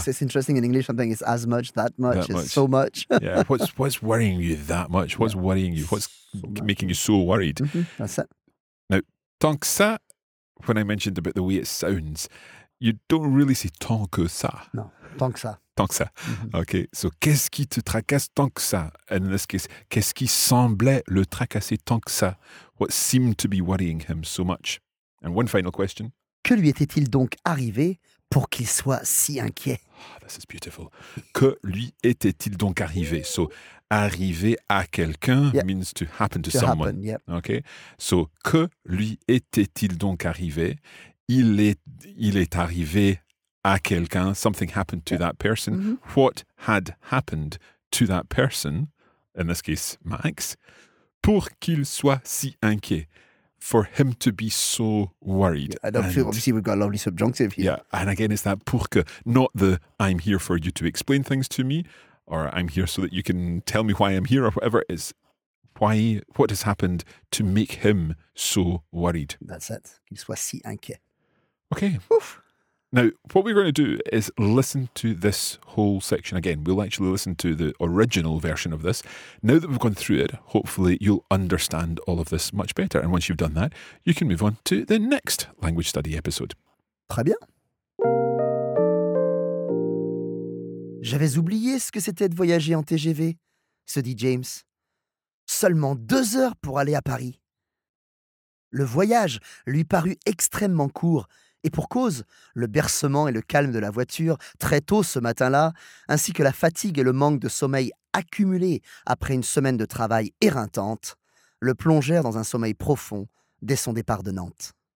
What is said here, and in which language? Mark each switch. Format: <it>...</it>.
<en>It's interesting in English, something is as much, that much, that much. So much. Yeah, what's worrying you that much? What's worrying you? What's so making you so worried? Mm-hmm. That's it. Now,</en> <fr>tant que ça,</fr> <en>when I mentioned about the way it sounds, you don't really say tant que ça. No,</en> <fr>tant que ça. Tant que ça. Mm-hmm.</fr> <en>Okay, so</en> <fr>qu'est-ce qui te tracasse tant que ça?</fr> <en>And in this case,</en> <fr>qu'est-ce qui semblait le tracasser tant que ça?</fr> <en>What seemed to be worrying him so much? And one final question.</en> <fr>Que lui était-il donc arrivé pour qu'il soit si inquiet?</fr> <en>Oh, this is beautiful.</en> <fr>Que lui était-il donc arrivé?</fr> <en>So,</en> <fr>arriver à quelqu'un</fr> <en>means to happen to someone. Happen, yep. Okay, so</en> <fr>que lui était-il donc arrivé? Il est arrivé à quelqu'un,</fr> <en>something happened to that person. Mm-hmm. What had happened to that person, in this case, Max,</en> <fr>pour qu'il soit si inquiet,</fr> <en>for him to be so worried. Yeah, I don't feel, obviously we've got a lovely subjunctive here. Yeah, and again, it's that pour que, not the I'm here for you to explain things to me, or I'm here so that you can tell me why I'm here, or whatever it is. Why, what has happened to make him so worried? That's it.</en> <fr>Qu'il soit si inquiet.</fr> <en>Okay. Oof. Now, what we're going to do is listen to this whole section again. We'll actually listen to the original version of this. Now that we've gone through it, hopefully you'll understand all of this much better. And once you've done that, you can move on to the next language study episode.</en> <fr>Très bien. J'avais oublié ce que c'était de voyager en TGV, se dit James. Seulement 2 heures pour aller à Paris. Le voyage lui parut extrêmement court. Et pour cause, le bercement et le calme de la voiture, très tôt ce matin-là, ainsi que la fatigue et le manque de sommeil accumulés après une semaine de travail éreintante, le plongèrent dans un sommeil profond dès son départ de Nantes.</fr>